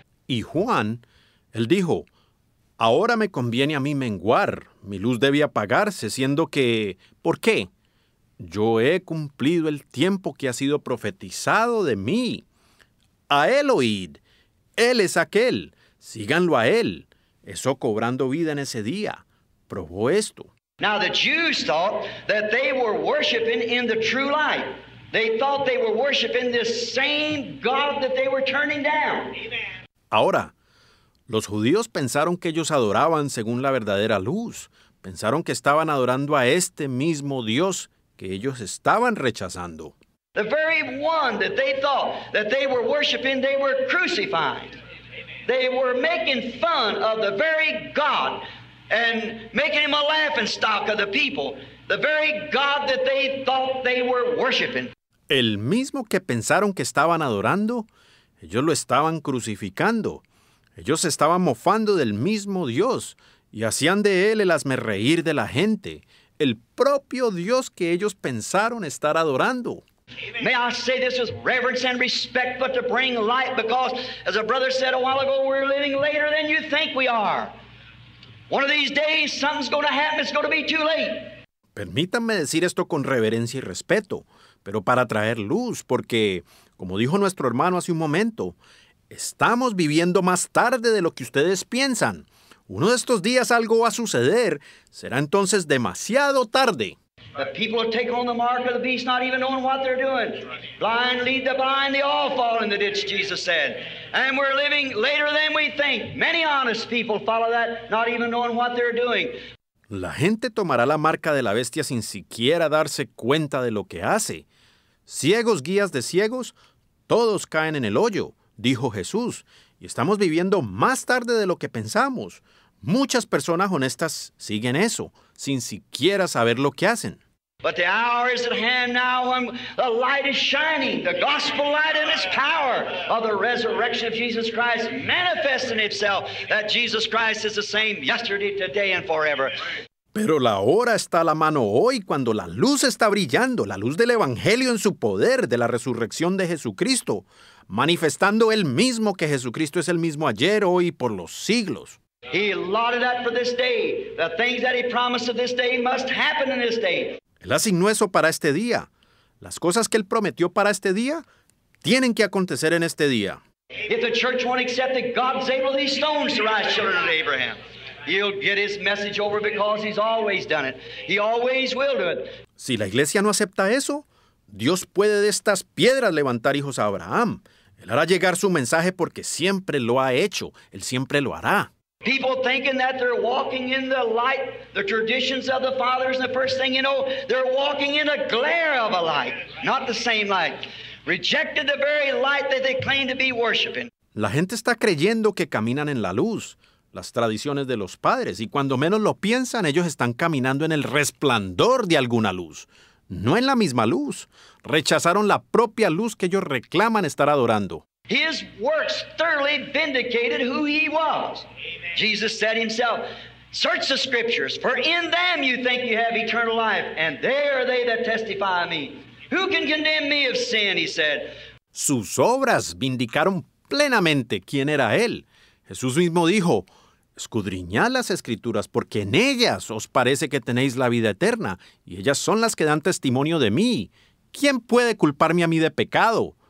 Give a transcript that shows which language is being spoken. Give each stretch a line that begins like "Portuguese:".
Spanish: Y Juan, él dijo, ahora me conviene a mí menguar, mi luz debe apagarse, siendo que, ¿por qué? Yo he cumplido el tiempo que ha sido profetizado de mí. A él oíd, él es aquel, síganlo a él. Eso cobrando vida en ese día, probó esto.
English: Now the Jews thought that they were worshiping in the true light. They thought they were worshiping this same God that they were turning down.
Spanish: Ahora, los judíos pensaron que ellos adoraban según la verdadera luz. Pensaron que estaban adorando a este mismo Dios que ellos estaban rechazando.
English: The very one that they thought that they were worshiping, they were crucified. They were making fun of the very God and making him a laughing stock of the people. The very God that they thought they were worshiping.
Spanish: El mismo que pensaron que estaban adorando, ellos lo estaban crucificando. Ellos estaban mofando del mismo Dios y hacían de él el hazmerreír de la gente, el propio Dios que ellos pensaron estar adorando.
English: May I say this with reverence and respect, but to bring light, because as a brother said a while ago, we're living later than you think we are. One of these days, something's going to happen, it's going to be too late.
Spanish: Permítanme decir esto con reverencia y respeto, pero para traer luz, porque, como dijo nuestro hermano hace un momento, estamos viviendo más tarde de lo que ustedes piensan. Uno de estos días algo va a suceder, será entonces demasiado tarde.
English: The people will take on the mark of the beast, not even knowing what they're doing. Blind lead the blind, they all fall in the ditch, Jesus said. And we're living later than we think. Many honest people follow that, not even knowing what they're doing.
Spanish: La gente tomará la marca de la bestia sin siquiera darse cuenta de lo que hace. Ciegos guías de ciegos, todos caen en el hoyo, dijo Jesús. Y estamos viviendo más tarde de lo que pensamos. Muchas personas honestas siguen eso, sin siquiera saber lo que hacen.
English: But the hour is at hand now when the light is shining, the gospel light and its power of the resurrection of Jesus Christ manifesting itself, that Jesus Christ is the same yesterday, today, and forever.
Spanish: Pero la hora está a la mano hoy cuando la luz está brillando, la luz del Evangelio en su poder de la resurrección de Jesucristo, manifestando Él mismo que Jesucristo es el mismo ayer, hoy y por los siglos.
English: He allotted that for this day. The things that He promised of this day must happen in this day.
Spanish: Él asignó eso para este día. Las cosas que Él prometió para este día tienen que acontecer en este día.
English: If the church won't accept that God's able these stones to rise children of Abraham, He'll get His message over because He's always done it. He always will do it.
Spanish: Si la iglesia no acepta eso, Dios puede de estas piedras levantar hijos a Abraham. Él hará llegar su mensaje porque siempre lo ha hecho. Él siempre lo hará.
English: People thinking that they're walking in the light, the traditions of the fathers, and the first thing you know, they're walking in a glare of a light, not the same light. rejected the very light that they claim to be worshiping.
Spanish: La gente está creyendo que caminan en la luz, las tradiciones de los padres, y cuando menos lo piensan, ellos están caminando en el resplandor de alguna luz, no en la misma luz. Rechazaron la propia luz que ellos reclaman estar adorando.
English: His works thoroughly vindicated who he was. Jesus said himself, search the scriptures, for in them you think you have eternal life, and there are they that testify of me. Who can condemn me of sin, he said.
Spanish: Sus obras vindicaron plenamente quién era él. Jesús mismo dijo, escudriñad las escrituras, porque en ellas os parece que tenéis la vida eterna, y ellas son las que dan testimonio de mí. ¿Quién puede culparme a mí de pecado?